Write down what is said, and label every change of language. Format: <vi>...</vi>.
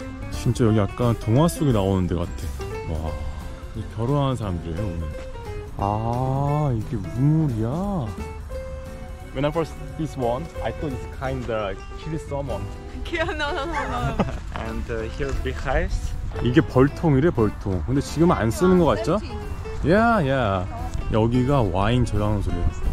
<ko>진짜 여기 약간 동화 속에 나오는 데 같아. 와, 결혼하는 사람들이에요 오늘. 아, 이게 우물이야?</ko> <en>When I first see this one, I thought it's kind of chili salmon. No. And here beehives.</en> <ko>이게 벌통이래, 벌통. 근데 지금 안 쓰는 거 같죠?</ko> <en>Yeah, yeah.</en> <ko>여기가 와인 저장소래요.</ko>